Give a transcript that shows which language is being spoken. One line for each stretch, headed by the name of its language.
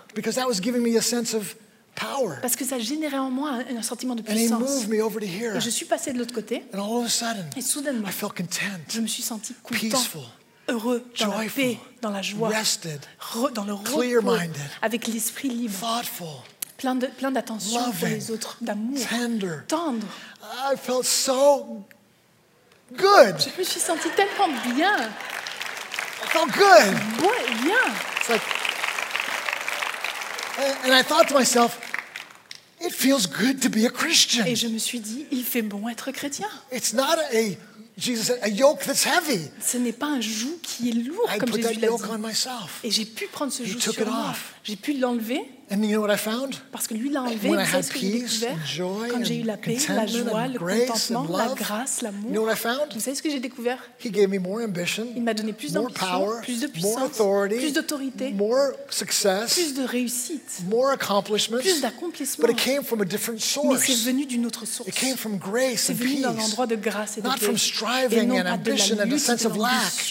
English: Because that was giving me a sense of power.
French: Parce que ça générait en moi un sentiment de puissance. Et je suis passé de l'autre côté.
English: Sudden,
French: et soudainement,
English: I felt content,
French: je me suis senti content,
English: peaceful,
French: heureux, dans
English: joyful,
French: la paix, dans la joie,
English: rested,
French: dans le repos, avec l'esprit libre,
English: thoughtful,
French: plein d'attention
English: loving,
French: pour les autres, d'amour,
English: tender,
French: tendre.
English: I felt so good.
French: Je me suis senti tellement bien.
English: I felt good.
French: Bon, bien. C'est
English: like, and I thought to myself, it feels good to be a Christian.
French: Et je me suis dit, il fait bon être chrétien.
English: It's not a Jesus a yoke that's heavy.
French: Ce n'est pas un joug qui est lourd comme Jésus l'a dit.
English: I put that yoke on myself.
French: Et j'ai pu prendre ce joug sur moi.
English: He took it off.
French: J'ai pu l'enlever.
English: And you know what I found?
French: Parce que lui l'a enlevé.
English: When I had peace, joy,
French: quand j'ai eu la paix, la joie, le contentement,
English: love,
French: la grâce, l'amour.
English: You know what I found?
French: Vous savez ce que j'ai découvert?
English: He gave me more ambition.
French: Il m'a donné plus d'ambition,
English: power,
French: plus de puissance,
English: more authority,
French: plus d'autorité,
English: more success,
French: plus de réussite,
English: more accomplishments,
French: plus d'accomplissements.
English: But it came from a different source.
French: Mais c'est venu d'une autre source.
English: It came from grace
French: c'est
English: and peace.
French: C'est venu d'un endroit de grâce et de
English: not
French: paix.
English: From striving and ambition and a sense of lack.